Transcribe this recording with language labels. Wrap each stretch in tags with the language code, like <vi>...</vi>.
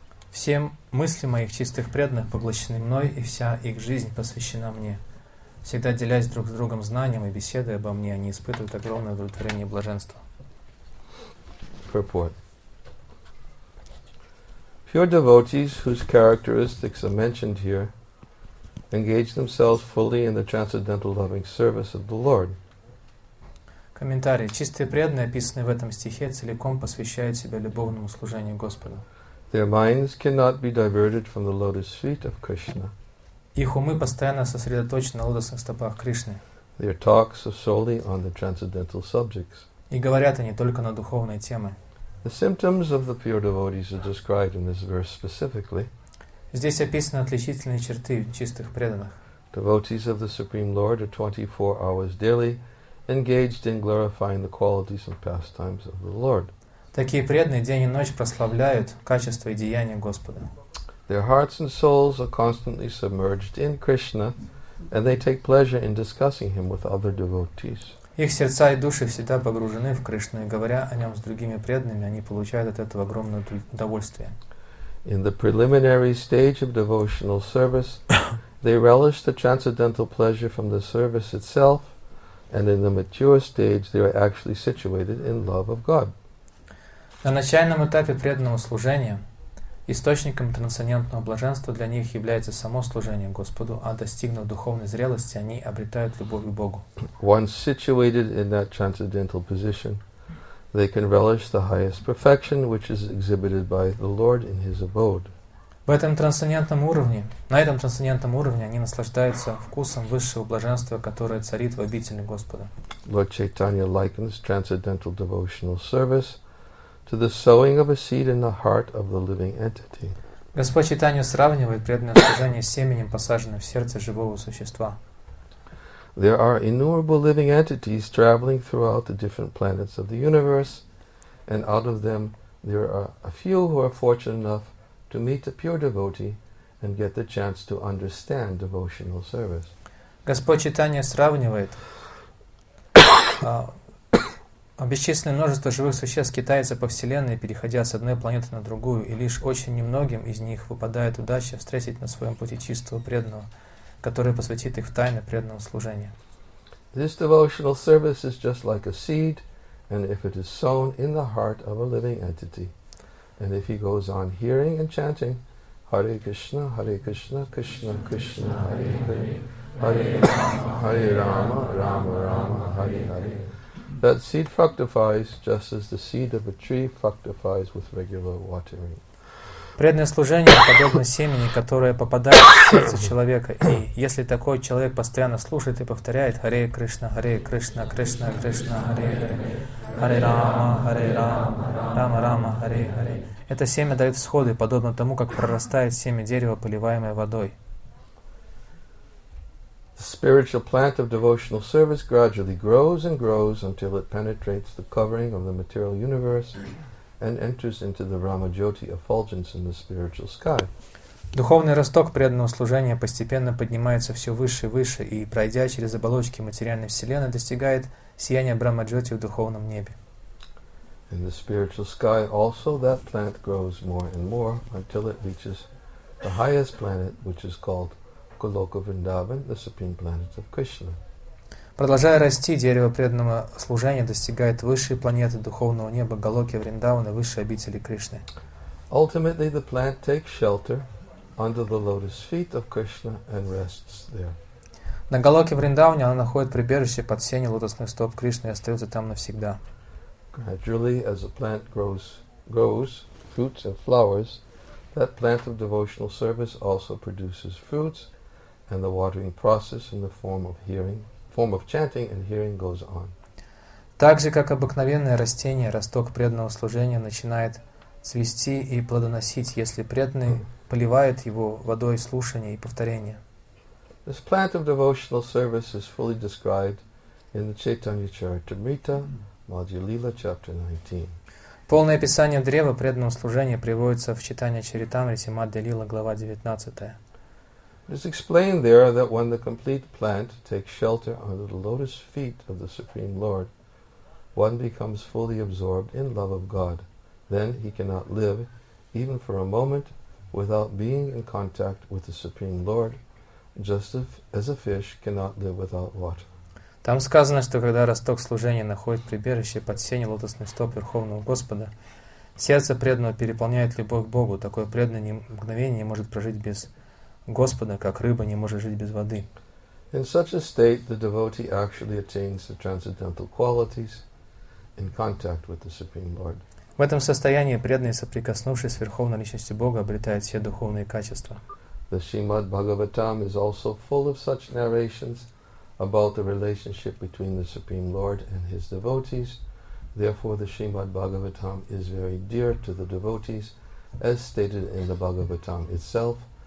<ru>Все мысли моих чистых преданных поглощены мной, и вся их жизнь посвящена мне. Всегда делясь друг с другом знанием и беседой обо мне, они испытывают огромное удовлетворение и блаженство.</ru> <en>Purport. Pure devotees, whose characteristics are mentioned here, engage themselves fully in the transcendental loving service of the Lord.</en> <ru>Комментарий. Чистые преданные, описанные в этом стихе, целиком посвящают себя любовному служению Господу.</ru> <en>Their minds cannot be diverted from the lotus feet of Krishna.</en> <ru>Их умы постоянно сосредоточены на лотосных стопах Кришны.</ru> <en>Their talks are solely on the transcendental subjects.</en> <ru>И говорят они только на духовные темы.</ru> <en>The symptoms of the pure devotees are described in this verse specifically.</en> <ru>Здесь описаны отличительные черты чистых преданных.</ru> <en>Devotees of the Supreme Lord are 24 hours daily engaged in glorifying the qualities and pastimes of the Lord.</en> <ru>Такие преданные день и ночь прославляют качества и деяния Господа.</ru> <en>Their hearts and souls are constantly submerged in Krishna, and they take pleasure in discussing him with other devotees.</en> <ru>Их сердца и души всегда погружены в Кришну, и говоря о нем с другими преданными, они получают от этого огромное удовольствие.</ru> <en>In the preliminary stage of devotional service, they relish the transcendental pleasure from the service itself, and in the mature stage, they are actually situated in love of God.</en> <ru>На начальном этапе преданного служения источником трансцендентного блаженства для них является само служение Господу, а достигнув духовной зрелости, они обретают любовь к Богу.</ru> <en>Once situated in that transcendental position, they can relish the highest perfection, which is exhibited by the Lord in His abode.</en> <ru>На этом трансцендентном уровне они наслаждаются вкусом высшего блаженства, которое царит в обители Господа.</ru> <en>Lord Chaitanya likens transcendental devotional service to the sowing of a seed in the heart of the living entity.</en> <ru>Господь Чайтанья сравнивает преданное служение с семенем, посаженным в сердце живого существа.</ru> <en>There are innumerable living entities traveling throughout the different planets of the universe, and out of them there are a few who are fortunate enough to meet a pure devotee and get the chance to understand devotional service.</en> <ru>Господь Чайтанья сравнивает бесчисленное множество живых существ скитается по Вселенной, переходя с одной планеты на другую, и лишь очень немногим из них выпадает удача встретить на своем пути чистого преданного, который посвятит их в тайны преданного служения.</ru> <en>This devotional service is just like a seed, and if it is sown in the heart of a living entity, and if he goes on hearing and chanting, Hare Krishna, Hare Krishna, Krishna Krishna, Hare Hare, Hare Rama, Rama Rama, Hare Hare, that seed fructifies just as the seed of a tree fructifies with regular watering.</en> <ru>Преданное служение подобно семени, которое попадает в сердце человека, и если такой человек постоянно слушает и повторяет Харе Кришна, Харе Кришна, Кришна Кришна, Харе Харе, Харе Рама, Харе Рама, Рама Рама, Харе Харе, это семя дает всходы, подобно тому, как прорастает семя дерева, поливаемое водой.</ru> <en>The spiritual plant of devotional service gradually grows and grows until it penetrates the covering of the material universe and enters into the Ramajyoti effulgence in the spiritual sky.</en> <ru>Духовный росток преданного служения постепенно поднимается все выше и выше, и, пройдя через оболочки материальной вселенной, достигает сияния Брамаджоти в духовном небе.</ru> <en>In the spiritual sky also that plant grows more and more until it reaches the highest planet, which is called Goloka Vrindavan, the supreme planet of Krishna.</en> <ru>Продолжая расти, дерево преданного служения достигает высшей планеты духовного неба Голоки Вриндавана, высшей обители Кришны.</ru> <en>Ultimately, the plant takes shelter under the lotus feet of Krishna and rests there.</en> <ru>На Голоке Вриндавана она находит прибежище под сенью лотосных стоп Кришны и остается там навсегда.</ru> <en>Gradually, as a plant grows fruits and flowers, that plant of devotional service also produces fruits, and the watering process in the form of chanting and hearing goes on.</en> <ru>Так же, как обыкновенное растение, росток преданного служения начинает цвести и плодоносить, если преданный поливает его водой слушания и повторения.</ru> <en>This plant of devotional service is fully described in the Chaitanya Charitamrita, Madhyalila, chapter 19.</en> <ru>Полное описание древа преданного служения приводится в Читания Чаритамрите, Мадхья-лила, глава 19.</ru> <en>It is explained there that when the complete plant takes shelter under the lotus feet of the Supreme Lord, one becomes fully absorbed in love of God. Then he cannot live, even for a moment, without being in contact with the Supreme Lord, just as a fish cannot live without water.</en> <ru>Там сказано, что когда росток служения находит прибежище под сенью лотосных стоп Верховного Господа, сердце преданного переполняет любовь к Богу. Такой преданный мгновение не может прожить без Господа, как рыба не может жить без воды.</ru> <en>In such a state, the devotee actually attains the transcendental qualities in contact with the Supreme Lord.</en> <ru>В этом состоянии преданный, соприкоснувшись с Верховной Личностью Бога, обретает все духовные качества.</ru> <en>The Srimad Bhagavatam is also full of such narrations about the relationship between the Supreme Lord and His devotees. Therefore, the Srimad Bhagavatam is very dear to the devotees, as stated in the Bhagavatam itself.</en>